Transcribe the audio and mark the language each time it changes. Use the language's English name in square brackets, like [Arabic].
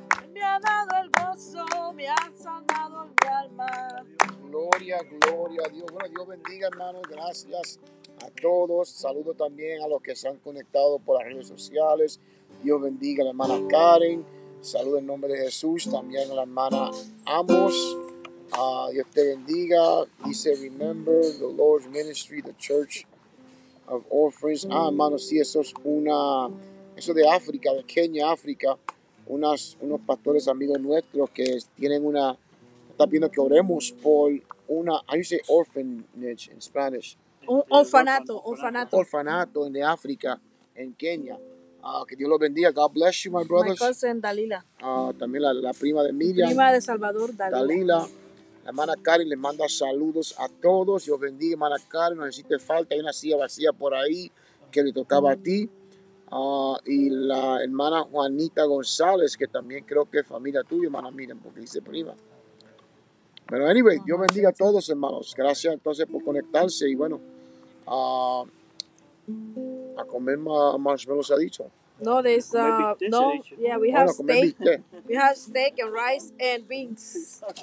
[Spanish] Él me ha dado el gozo, me ha sanado mi alma. Gloria, gloria a Dios. Bueno, Dios bendiga, hermano. Gracias a todos. Saludo también a los que se han conectado por las redes sociales. Dios bendiga a la hermana Karen. Saludo en nombre de Jesús también a la hermana Amos. Dios te bendiga. [English] Dice, remember the Lord's ministry, the church of orphans. [Spanish] Ah, hermano, sí, eso es una... Eso de África, de Kenia, África. Unos pastores amigos nuestros que tienen una... Están pidiendo que oremos por una... [English] How do you say orphanage in Spanish? [Spanish] Orfanato en de África, en Kenia. Que Dios los bendiga. [English] God bless you, my brothers. My cousin, Dalila. [Spanish] También la prima de Miriam. Prima de Salvador, Dalila. La hermana Karen les manda saludos a todos. Dios bendiga, hermana Karen. No necesite falta. Hay una silla vacía por ahí que le tocaba a ti. Y la hermana Juanita González, que también creo que es familia tuya, hermana, miren, porque dice prima. Pero anyway, Dios bendiga a todos, hermanos. Gracias entonces por conectarse y bueno, a comer marshmallows, ha dicho. [English] No, there's no, yeah, we have steak and rice and beans.